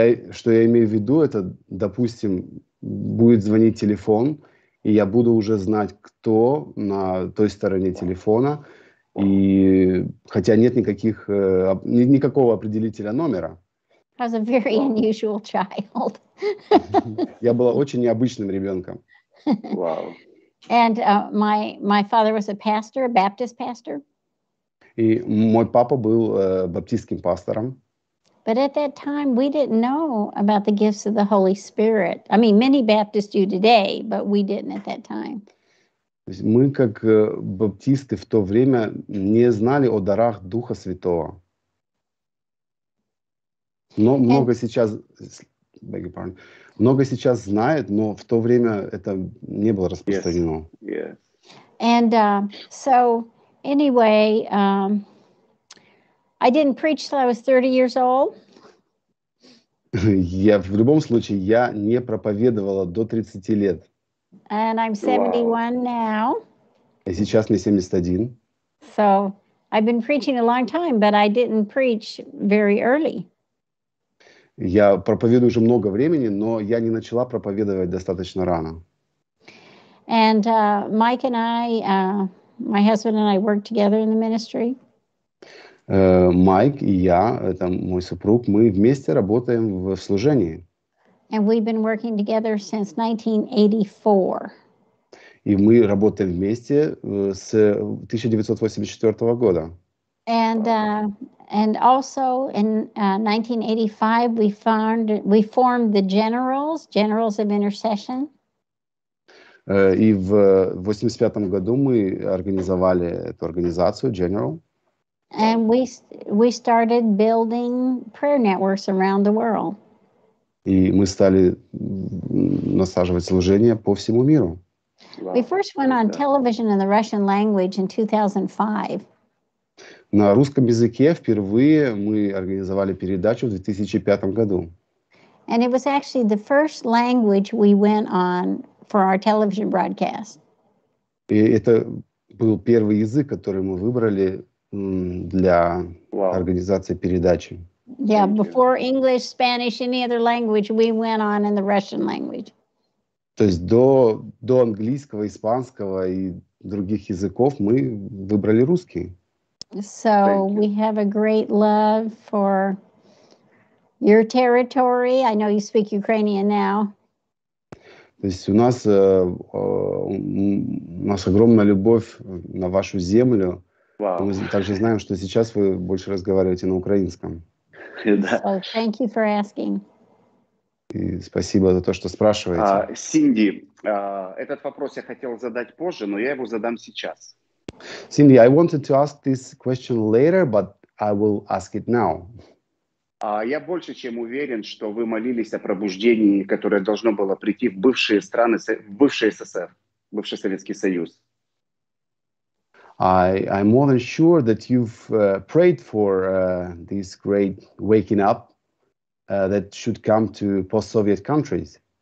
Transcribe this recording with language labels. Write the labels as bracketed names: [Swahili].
[Russian] Что я имею в виду, это, допустим, будет звонить телефон, и я буду уже знать, кто на той стороне телефона, и хотя нет никакого определителя номера. [English] I was a very unusual child. [Russian] Я была очень необычным ребенком. [English] Wow. And my father was a pastor, a Baptist pastor. [Russian] И мой папа был баптистским пастором. [English] But at that time, we didn't know about the gifts of the Holy Spirit. I mean, many Baptists do today, but we didn't at that time. [Russian] Мы, как баптисты, в то время не знали о дарах Духа Святого. Но много сейчас, много сейчас знает, но в то время это не было распространено. [English] And so, anyway, I didn't preach till I was 30 years old. [Russian] Я в любом случае я не проповедовала до 30 лет. [English] And I'm 71 now. [Russian] И сейчас мне 71. [English] So I've been preaching a long time, but I didn't preach very early. [Russian] Я проповедую уже много времени, но я не начала проповедовать достаточно рано. [English] And Mike and I, my husband and I work together in the ministry. [Russian] Майк и я, это мой супруг, мы вместе работаем в служении. [English] And we've been working together since 1984. [Russian] И мы работаем вместе с 1984 года. [English] And also in 1985 we formed the Generals of Intercession. [Russian] И в 85 году мы организовали эту организацию General. [English] And we started building prayer networks around the world. [Russian] И мы стали насаживать служение по всему миру. [English] We first went on television in the Russian language in 2005. [Russian] На русском языке впервые мы организовали передачу в 2005 году. [English] And it was actually the first language we went on for our television broadcast. [Russian] И это был первый язык, который мы выбрали для организации передачи. [English] Yeah, before English, Spanish, any other language, we went on in the Russian language. [Russian] То есть до английского, испанского и других языков мы выбрали русский. [English] So we have a great love for your territory. I know you speak Ukrainian now. [Russian] То есть у нас огромная любовь на вашу землю. Wow. Мы также знаем, что сейчас вы больше разговариваете на украинском. [English] So, thank you for asking. [Russian] И спасибо за то, что спрашиваете. Синди, этот вопрос я хотел задать позже, но я его задам сейчас. [English] Синди, I wanted to ask this question later, but I will ask it now. [Russian] Я больше чем уверен, что вы молились о пробуждении, которое должно было прийти в бывшие страны, в бывший СССР, бывший Советский Союз. [English] I'm more than sure that you've prayed for this great waking up that should come to post-Soviet countries.